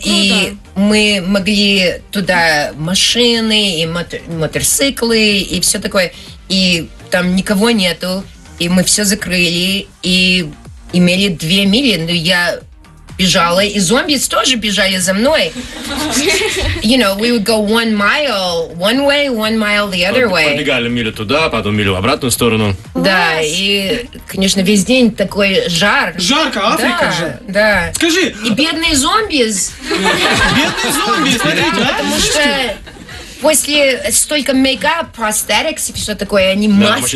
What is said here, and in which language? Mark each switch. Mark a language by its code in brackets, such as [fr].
[ru] и мы могли туда машины и мотоциклы и все такое. И там никого нету. И мы все закрыли. И имели 2 мили. Но я бежала. И зомби тоже бежали за мной. [en] You know, we would go 1 mile one way, 1 mile the other way. [ru] Пробегали милю туда, потом милю в обратную сторону. Да, и, конечно, весь день такой жар. Жарко, Африка же. Да. Скажи. И бедные зомби. Бедные зомби, смотрите, да? Потому что после столько мейкап, prosthetics и все такое, они маски.